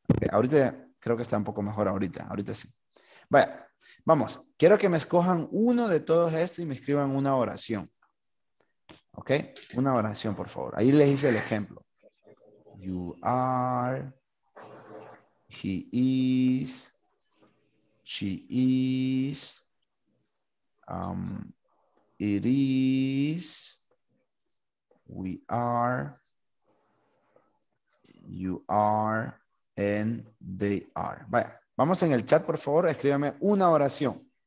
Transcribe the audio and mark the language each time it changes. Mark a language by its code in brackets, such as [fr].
[es] Ahorita creo que está un poco mejor ahorita sí. Vaya, vamos, quiero que me escojan uno de todos estos y me escriban una oración. Ok, una oración, por favor. Ahí les hice el ejemplo. [en] You are, he is, she is, it is, we are, you are, and they are. [es] Vaya, vamos en el chat, por favor, escríbame una oración.